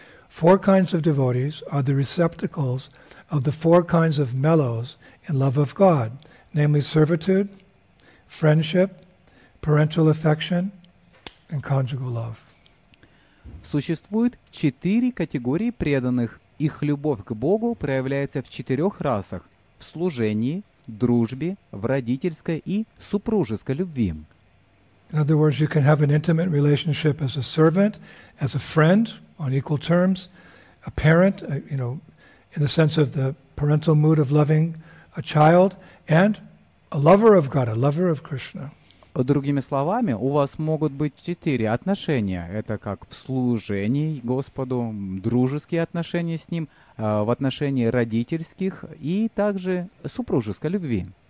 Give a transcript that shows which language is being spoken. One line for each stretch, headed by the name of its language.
English: four kinds of devotees are the receptacles of the four kinds of mellows in love of God, namely servitude, friendship, parental affection, and conjugal love.
Russian: Существует четыре категории преданных. Их любовь к Богу проявляется в четырех расах – в служении, дружбе, в родительской и супружеской любви.
English: In other words, you can have an intimate relationship as a servant, as a friend, on equal terms, a parent, you know, in the sense of the parental mood of loving a child, and a lover of God, a lover of Krishna.
Russian: Другими словами, у вас могут быть четыре отношения. Это как в служении Господу, дружеские отношения с Ним, в отношении родительских и также супружеской любви.